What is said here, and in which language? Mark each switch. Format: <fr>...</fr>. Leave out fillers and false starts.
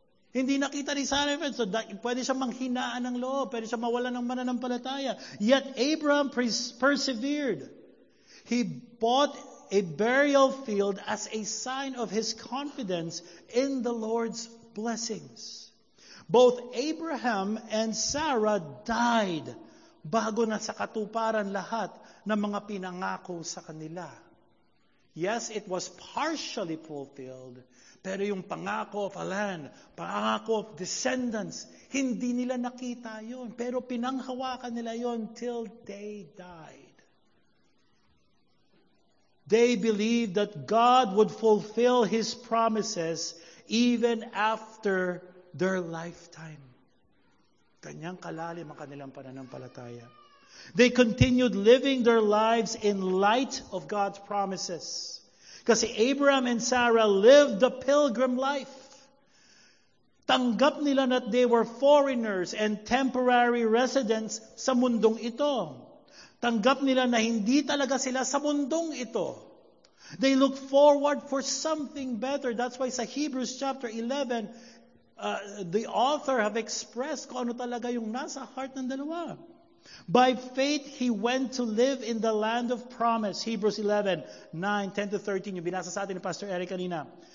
<tl>Hindi nakita ni Sarah, so pwede siya manghinaan ng loob, pwede siya mawalan ng mananampalataya.</tl> <en>Yet Abraham persevered. He bought a burial field as a sign of his confidence in the Lord's blessings. Both Abraham and Sarah died</en> <tl>bago na sa katuparan lahat na mga pinangako sa kanila.</tl> <en>Yes, it was partially fulfilled,</en> <tl>pero yung pangako of a land, pangako of descendants, hindi nila nakita yon, pero pinanghawakan nila yon</tl> <en>till they died. They believed that God would fulfill His promises even after their lifetime.</en> <tl>Ganyang kalalim ang kanilang pananampalataya.</tl> <en>They continued living their lives in light of God's promises. Kasi Abraham and Sarah lived the pilgrim life.</en> <tl>Tanggap nila na</tl> <en>they were foreigners and temporary residents</en> <tl>sa mundong ito. Tanggap nila na hindi talaga sila sa mundong ito.</tl> <en>They look forward for something better. That's why sa Hebrews chapter 11, the author have expressed</en> <tl>kung ano talaga yung nasa heart ng dalawa.</tl> <en>By faith, he went to live in the land of promise.</en> <tl>Hebrews 11, 9, 10 to 13. Yung binasa sa atin ni Pastor Eric kanina.</tl>